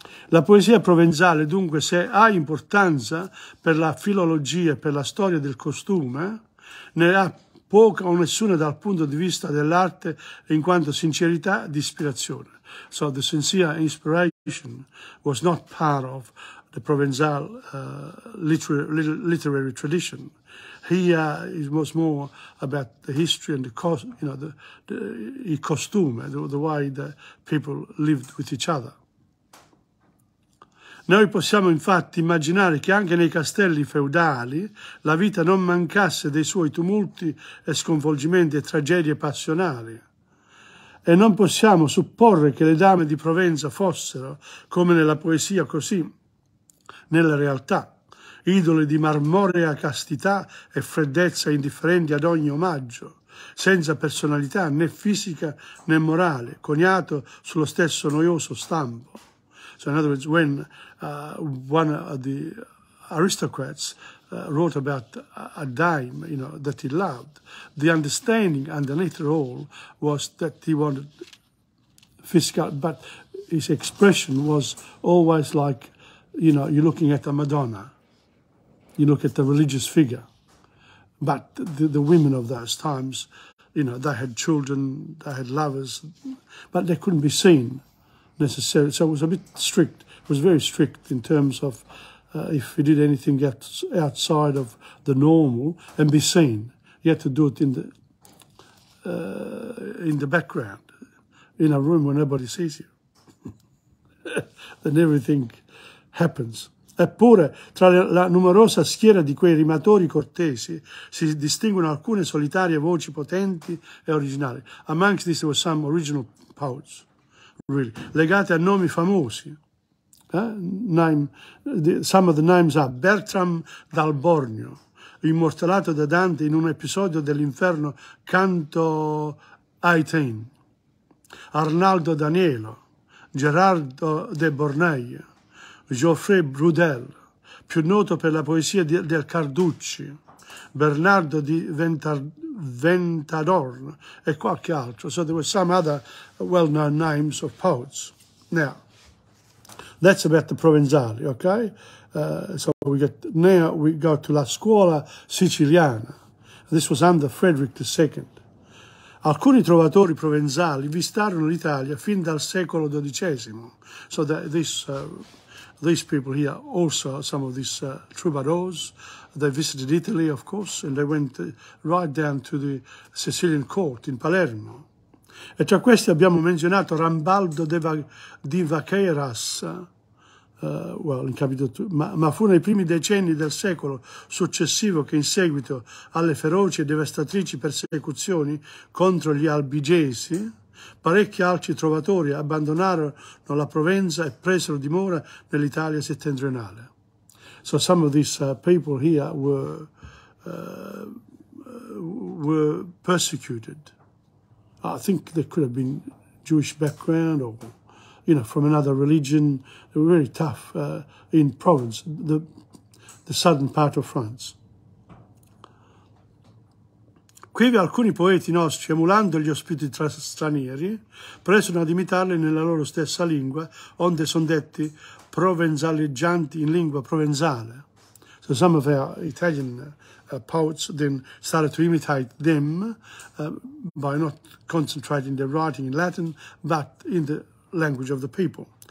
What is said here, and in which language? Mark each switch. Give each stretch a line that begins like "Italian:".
Italian: La poesia provenzale, dunque, se ha importanza per la filologia e per la storia del costume, ne ha poca o nessuna dal punto di vista dell'arte in quanto sincerità di ispirazione.
English: So the sincere inspiration was not part of the Provenzal literary tradition. Here it was more about the history and the cost, you know, the costume, the way the people lived with each other.
Italian: Noi possiamo infatti immaginare che anche nei castelli feudali la vita non mancasse dei suoi tumulti e sconvolgimenti e tragedie passionali. E non possiamo supporre che le dame di Provenza fossero, come nella poesia, così, nella realtà, idole di marmorea castità e freddezza indifferenti ad ogni omaggio, senza personalità né fisica né morale, coniato sullo stesso noioso stampo.
English: So in other words, when one of the aristocrats wrote about a dame, you know, that he loved, the understanding underneath it all was that he wanted fiscal, but his expression was always like, you know, you're looking at a Madonna, you look at the religious figure. But the women of those times, you know, they had children, they had lovers, but they couldn't be seen necessarily. So it was a bit strict. It was very strict in terms of if you did anything outside of the normal and be seen, you had to do it in the background, in a room where nobody sees you. Then everything happens.
Italian: Eppure, tra la numerosa schiera di quei rimatori cortesi, si distinguono alcune solitarie voci potenti e originali.
English: Amongst these were some original poets, really,
Italian: legate a nomi famosi.
English: Some of the names are
Italian: Bertram dal Bornio, immortalato da Dante in un episodio dell'Inferno, canto 18. Arnaldo Danielo, Gerardo de Bourneille, Geoffrey Brudel, più noto per la poesia del Carducci, Bernardo di Ventadorn, e qualche altro.
English: So there were some other well-known names of poets. Now, that's about the Provenzali, okay? So we go to La Scuola Siciliana. This was under Frederick II.
Italian: Alcuni trovatori provenzali visitarono l'Italia fin dal secolo XII.
English: So these people here, also some of these troubadours, they visited Italy, of course, and they went right down to the Sicilian court in Palermo.
Italian: E tra questi abbiamo menzionato Rambaldo di Vaqueras, ma fu nei primi decenni del secolo successivo che in seguito alle feroci e devastatrici persecuzioni contro gli albigesi, parecchi altri trovatori abbandonarono la Provenza e presero dimora nell'Italia settentrionale.
English: So some of these people here were persecuted. I think they could have been Jewish background or, you know, from another religion. They were very tough in Provence, the southern part of France.
Italian: Quivi alcuni poeti nostri, emulando gli ospiti stranieri, presero ad imitarli nella loro stessa lingua, onde son detti provenzaleggianti in lingua provenzale.
English: So some of our Italian poets then started to imitate them by not concentrating their writing in Latin, but in the language of the people.